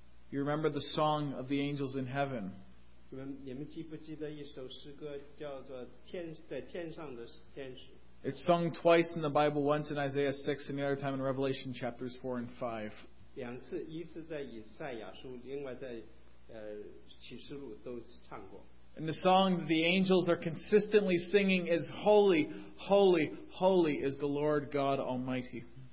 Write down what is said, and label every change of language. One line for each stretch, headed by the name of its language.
English: you remember the song of the angels in heaven?
Chinese: 你们记不记得一首诗歌叫做天上的天使?
English: It's sung twice in the Bible, once in Isaiah 6 and the other time in Revelation chapters 4 and 5.
Chinese: 两次, 一次在以赛亚书, 另外在, 启示录都唱过。
English: And the song that the angels are consistently singing is holy, holy, holy is the Lord God Almighty.